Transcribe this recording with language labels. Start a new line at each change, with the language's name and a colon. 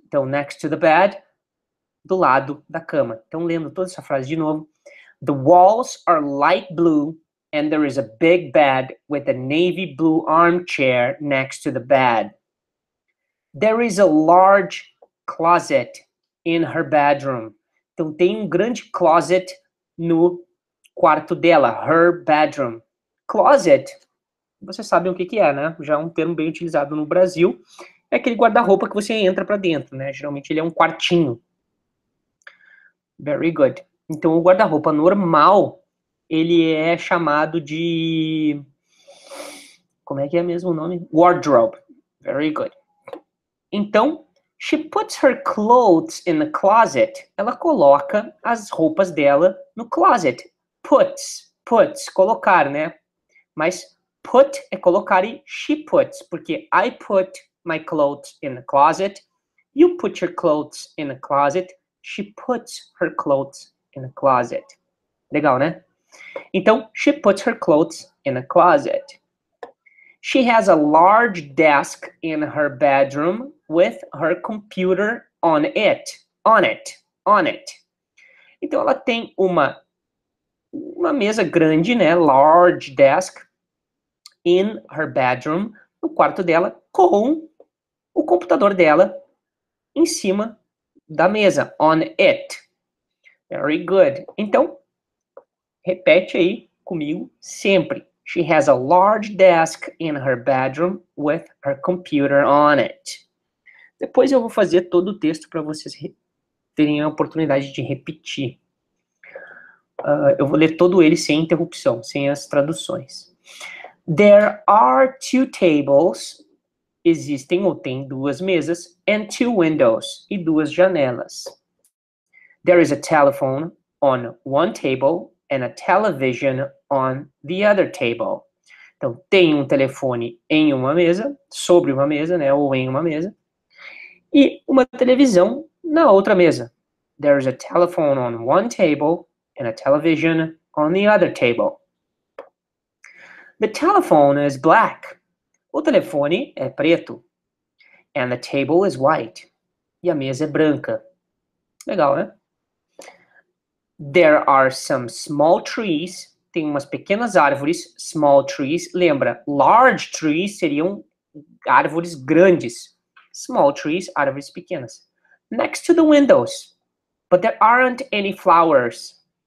Portuguese: Então,
English: next to the bed,
Portuguese: do lado da cama. Então, lendo toda essa frase de novo.
English: The walls are light blue and there is a big bed with a navy blue armchair next to the bed. There is a large closet in her bedroom.
Portuguese: Então, tem um grande closet no quarto dela,
English: her bedroom.
Portuguese: Closet, vocês sabem o que é, né? Já é um termo bem utilizado no Brasil. É aquele guarda-roupa que você entra pra dentro, né? Geralmente ele é um quartinho.
English: Very good.
Portuguese: Então, o guarda-roupa normal, ele é chamado de... Como é que é mesmo o nome? Wardrobe.
English: Very good. Então, she puts her clothes in the closet.
Portuguese: Ela coloca as roupas dela no closet.
English: Puts,
Portuguese: colocar, né? Mas
English: put é colocar e she puts,
Portuguese: porque
English: I put my clothes in the closet. You put your clothes in the closet. She puts her clothes in the closet.
Portuguese: Legal, né?
English: Então, she puts her clothes in the closet. She has a large desk in her bedroom with her computer on it. On it.
Portuguese: Então, ela tem uma mesa grande, né?
English: Large desk in her bedroom,
Portuguese: no quarto dela, com o computador dela em cima da mesa,
English: on it. Very good.
Portuguese: Então, repete aí comigo sempre.
English: She has a large desk in her bedroom with her computer on it.
Portuguese: Depois eu vou fazer todo o texto para vocês terem a oportunidade de repetir. Eu vou ler todo ele sem interrupção, sem as traduções.
English: There are two tables.
Portuguese: Existem ou tem duas mesas,
English: and two windows,
Portuguese: e duas janelas.
English: There is a telephone on one table and a television on the other table.
Portuguese: Então, tem um telefone em uma mesa, sobre uma mesa, né, ou em uma mesa, e uma televisão na outra mesa.
English: There is a telephone on one table and a television on the other table. The telephone is black.
Portuguese: O telefone é preto.
English: And the table is white.
Portuguese: E a mesa é branca. Legal, né?
English: There are some small trees.
Portuguese: Tem umas pequenas árvores.
English: Small trees.
Portuguese: Lembra,
English: large trees
Portuguese: seriam árvores grandes.
English: Small trees,
Portuguese: árvores pequenas.
English: Next to the windows. But there aren't any flowers.